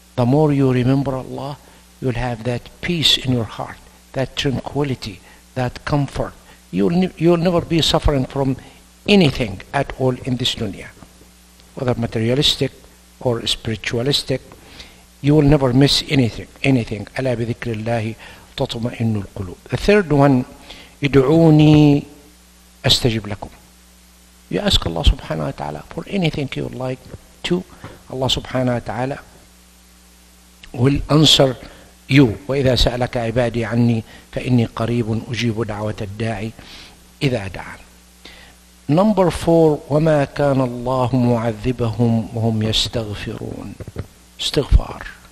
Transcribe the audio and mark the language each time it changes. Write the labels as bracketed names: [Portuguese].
[English] The more you remember Allah, you'll have that peace in your heart, that tranquility, that comfort. You'll never be suffering from anything at all in this dunya. Whether materialistic or spiritualistic, you will never miss anything. [Arabic] أَلَا بِذِكْرِ اللَّهِ تَطْمَئِنُّ الْقُلُوبِ. [English] The third one, [Arabic] ادعوني أستجب لكم. [English] You ask Allah subhanahu wa ta'ala for anything you would like to, Allah subhanahu wa ta'ala will answer you. [Arabic] وَإِذَا سَأَلَكَ عِبَادِي عَنِّي فَإِنِّي قَرِيبٌ أُجِيبُ دَعْوَةَ الدَّاعِي إِذَا دَعَانِ. [English] Number four, [Arabic] وَمَا كَانَ اللَّهُ مُعَذِّبَهُمْ وَهُمْ يَسْتَغْفِرُونَ. Istighfar.